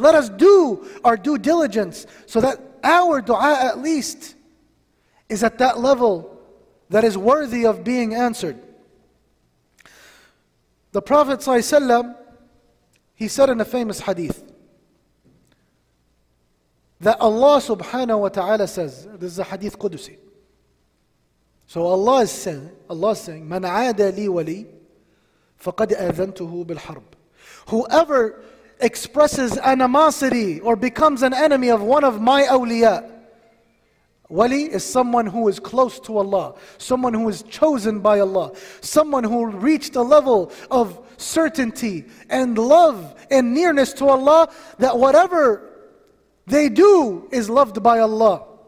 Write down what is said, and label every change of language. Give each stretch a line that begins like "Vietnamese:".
English: Let us do our due diligence so that our du'a at least is at that level that is worthy of being answered. The Prophet ﷺ, he said in a famous hadith that Allah subhanahu wa ta'ala says, this is a hadith Qudusi. So Allah is saying,
Arabic: مَنْ عَادَ لِي وَلِي فَقَدْ أَذَنْتُهُ بِالْحَرْبِ.
English: Whoever expresses animosity or becomes an enemy of one of my awliya, wali is someone who is close to Allah, someone who is chosen by Allah, someone who reached a level of certainty and love and nearness to Allah, that whatever they do is loved by Allah.